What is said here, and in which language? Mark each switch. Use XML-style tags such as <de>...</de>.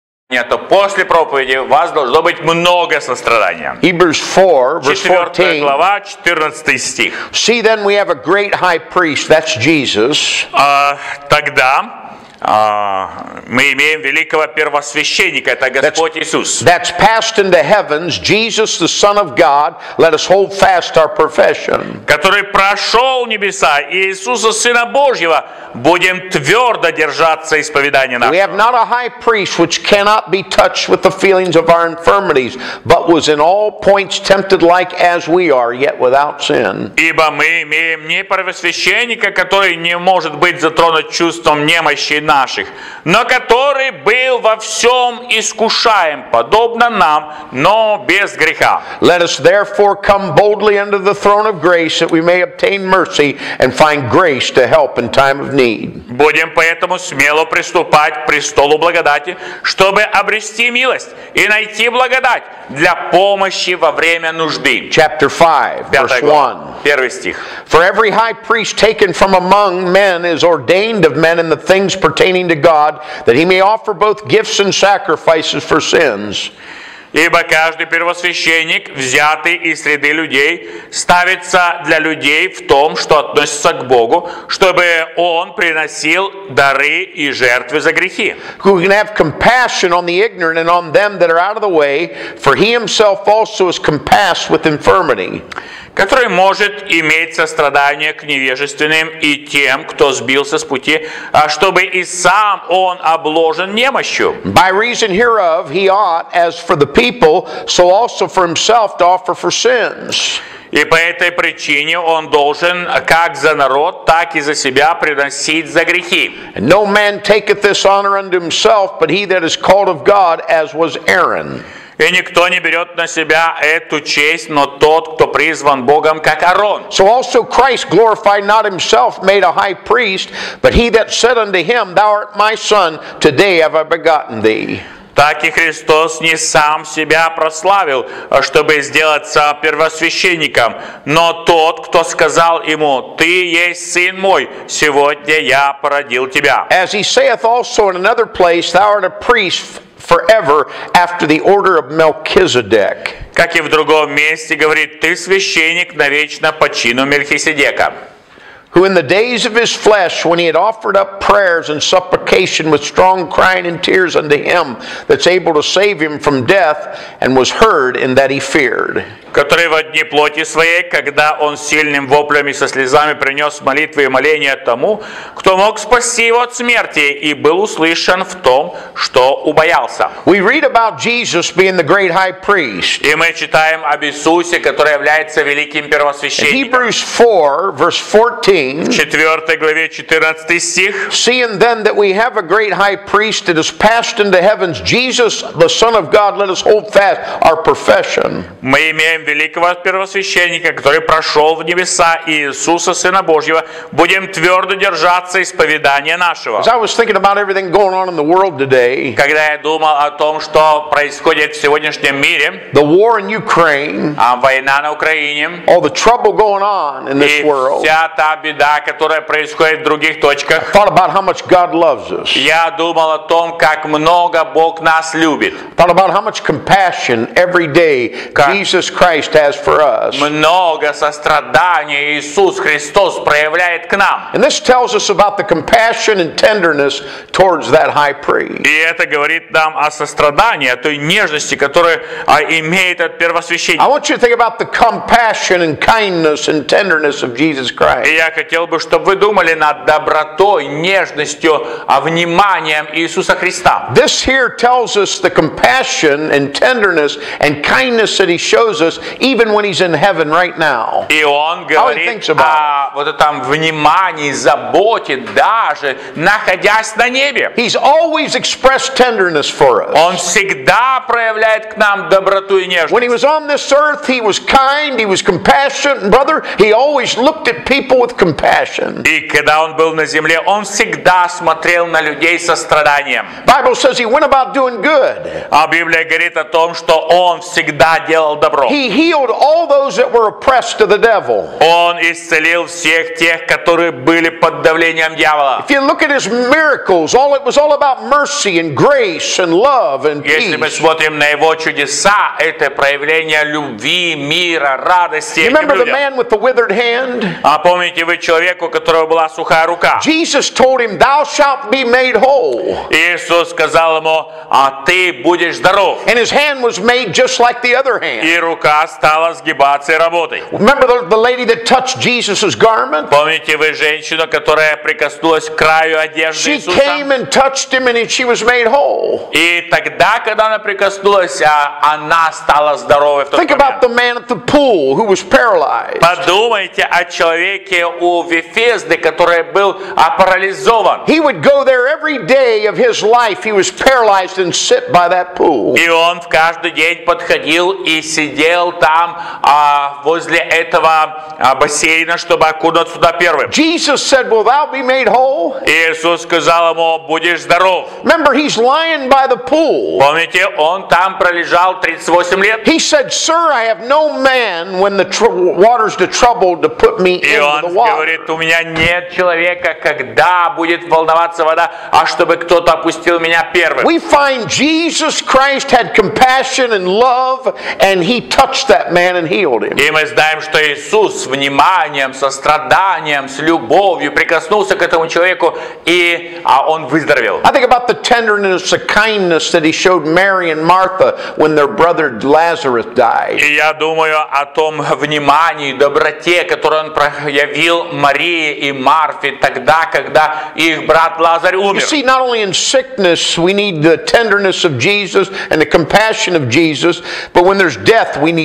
<ru>Нет, то после проповеди у вас должно быть много сострадания.</ru> <en>Hebrews 4, verse 14.</en> <ru>Глава, 14 стих.</ru> <en>See, then we have a great high priest, that's Jesus.</en> <ru>Тогда мы имеем великого первосвященника, это Господь Иисус.</ru> <en>That's passed into heavens, Jesus, the Son of God, let us hold fast our profession.</en> <ru>Который прошел небеса, Иисуса, Сына Божьего, будем твердо держаться исповедания нашего.</ru> <en>We have not a high priest which cannot be touched with the feelings of our infirmities, but was in all points tempted like as we are, yet without sin.</en> <ru>Ибо мы имеем не первосвященника, который не может быть затронут чувством немощи наших, но который был во всем искушаем, подобно нам, но без греха.</ru> <en>Let us therefore come boldly under the throne of grace, that we may obtain mercy and find grace to help in time of need.</en> <ru>Будем поэтому смело приступать к престолу благодати, чтобы обрести милость и найти благодать для помощи во время нужды.</ru> <en>Chapter 5, verse 1.</en> <ru>Первый стих.</ru> <en>For every high priest taken from among men is ordained of men in the things pertaining to God, that he may offer both gifts and sacrifices for sins.</en> <ru>Ибо каждый первосвященник, взятый из среды людей, ставится для людей в том, что относится к Богу, чтобы он приносил дары и жертвы за грехи.</ru> <en>Who can have compassion on the ignorant and on them that are out of the way, for he himself also is compassed with infirmity.</en> <ru>Который может иметь сострадание к невежественным и тем, кто сбился с пути, а чтобы и сам он обложен немощью.</ru> <en>By reason hereof, he ought, as for the people, so also for himself to offer for sins.</en> <ru>И по этой причине он должен как за народ, так и за себя приносить за грехи.</ru> <en>And no man taketh this honor unto himself, but he that is called of God, as was Aaron.</en> <ru>И никто не берет на себя эту честь, но тот, кто призван Богом, как Аарон.</ru> <en>So also Christ glorified not himself, made a high priest, but he that said unto him, Thou art my son, today have I begotten thee.</en> <ru>так и Христос не сам себя прославил, чтобы сделаться первосвященником, но тот, кто сказал ему: «Ты есть Сын мой, сегодня я породил тебя».</ru> <en>As he saith also in another place, thou art a priest forever after the order of Melchizedek.</en> <ru>Как и в другом месте говорит: «Ты священник навечно по чину Мельхиседека».</ru> <en>Who in the days of his flesh, when he had offered up prayers and supplication with strong crying and tears unto him that's able to save him from death, and was heard in that he feared.</en> <ru>Который во дни плоти своей, когда он сильным воплями со слезами принес молитвы и моления тому, кто мог спасти его от смерти, и был услышан в том, что убоялся.</ru> <en>We read about Jesus being the great high priest.</en> <ru>И мы читаем об Иисусе, который является великим первосвященником.</ru> <en>In Hebrews 4, verse 14,</en> <ru>в 4 главе 14 стих,</ru> <en>seeing then that we have a great high priest that has passed into heavens, Jesus, the Son of God, let us hold fast our profession.</en> <ru>Великого первосвященника, который прошел в небеса, Иисуса, Сына Божьего, будем твердо держаться исповедания нашего.</ru> <en>As I was thinking about everything going on in the world today,</en> <ru>когда я думал о том, что происходит в сегодняшнем мире,</ru> <en>the war in Ukraine,</en> <ru>а война на Украине,</ru> <en>all the trouble going on in this world,</en> <ru>и вся та беда, которая происходит в других точках,</ru> <en>I thought about how much God loves us.</en> <ru>Я думал о том, как много Бог нас любит.</ru> <en>I thought about how much compassion every day Jesus Christ has for us.</en> <ru>Много сострадания Иисус Христос проявляет к нам.</ru> <en>And this tells us about the compassion and tenderness towards that high priest.</en> <ru>И это говорит нам о сострадании, о той нежности, которую имеет этот первосвященник.</ru> <en>I want you to think about the compassion and kindness and tenderness of Jesus Christ.</en> <ru>И я хотел бы, чтобы вы думали над добротой, нежностью, а вниманием Иисуса Христа.</ru> <en>This here tells us the compassion and tenderness and kindness that He shows us even when he's in heaven right now.</en> <ru>И он говорит о вот этом внимании, заботе, даже находясь на небе.</ru> <en>He's always expressed tenderness for us.</en> <ru>Он всегда проявляет к нам доброту и нежность.</ru> <en>When he was on this earth, he was kind, he was compassionate, brother. He always looked at people with compassion.</en> <ru>И когда он был на земле, он всегда смотрел на людей со состраданием.</ru> <en>Bible says he went about doing good.</en> <ru>А Библия говорит о том, что он всегда делал добро.</ru> <en>He healed all those that were oppressed of the devil.</en> <ru>Он исцелил всех тех, которые были под давлением дьявола.</ru> <en>If you look at his miracles, all it was all about mercy and grace and love and peace.</en> <ru>Если мы смотрим на его чудеса, это проявление любви, мира, радости.</ru> <en>Remember the man with the withered hand?</en> <ru>А помните вы человеку, у которого была сухая рука?</ru> <en>Jesus told him, "Thou shalt be made whole."</en> <ru>Иисус сказал ему: "А ты будешь здоров."</ru> <en>And his hand was made just like the other.</en> <ru>И рука стала сгибаться и работать.</ru> <en>Remember the lady that touched Jesus's garment?</en> <ru>Помните вы женщину, которая прикоснулась к краю одежды</ru> <en>she</en> <ru>Иисуса?</ru> <en>Came and touched him and she was made whole.</en> <ru>И тогда, когда она прикоснулась, она стала здоровой в тот момент.</ru> <en>Think about the man at the pool who was paralyzed.</en> <ru>Подумайте о человеке у Вифезды, который был парализован.</ru> <en>He would go there every day of his life. He was paralyzed and sit by that pool.</en> <ru>И он в каждый день подходил и сидел там возле этого бассейна, чтобы окунуться туда первым.</ru> <en>Jesus said, "Will thou be made whole?"</en> <ru>Иисус сказал ему: "Будешь здоров."</ru> <en>Remember, he's lying by the pool.</en> <ru>Помните, он там пролежал 38 лет.</ru> <en>He said, "Sir, I have no man when the waters the trouble to put me in the water."</en> <ru>И он говорит: "У меня нет человека, когда будет волноваться вода, а чтобы кто-то опустил меня первым."</ru> <en>We find Jesus Christ had compassion and love. And he touched that man and healed him.</en> <ru>И мы знаем, что Иисус вниманием, состраданием, с любовью прикоснулся к этому человеку, и он выздоровел.</ru> <en>I think about the tenderness, the kindness that he showed Mary and Martha when their brother Lazarus died.</en> <ru>И я думаю о том внимании, доброте, которое он проявил Марии и Марфе тогда, когда их брат Лазарь умер.</ru> <en>You see, not only in sickness we need the tenderness of Jesus and the compassion of Jesus. But when there's death, we need</en>